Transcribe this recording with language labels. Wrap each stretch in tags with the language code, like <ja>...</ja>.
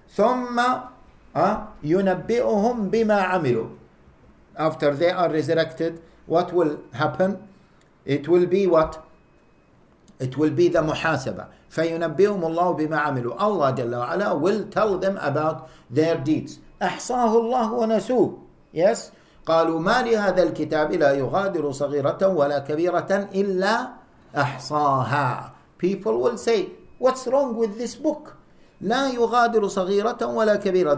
<ar>ثُمَّ يُنَبِّئُهُمْ بِمَا عَمِلُوا.</ar> <en>After they are resurrected, what will happen? It will be what? It will be the muhasaba.</en> <ar>فَيُنَبِّئُهُمُ اللَّهُ بِمَا عَمِلُوا.</ar> <en>Allah Jalla wa'ala will tell them about their deeds.</en> <ar>أَحْصَاهُ اللَّهُ وَنَسُوهُ.</ar> <en>Yes?</en> <ar>قالوا ما لهذا الكتاب لا يغادر صغيرة ولا كبيرة إلا أحصاها.</ar> <en>People will say, what's wrong with this book?</en> <ar>لا يغادر صغيرة ولا كبيرة.</ar>